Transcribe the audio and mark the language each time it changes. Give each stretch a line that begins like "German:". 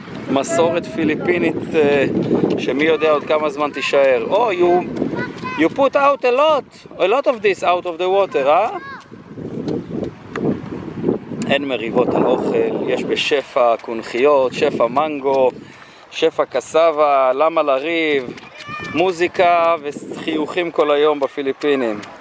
Hebrew: מסורת פיליפינית שמי יודע עוד כמה זמן תישאר.
English: Oh, you put out a lot of this out of the water, huh?
Hebrew: אין מריבות על אוכל, יש בשפע קונכיות, שפע מנגו, שפע קסבה, למה לריב, מוזיקה וחיוכים כל היום בפיליפינים.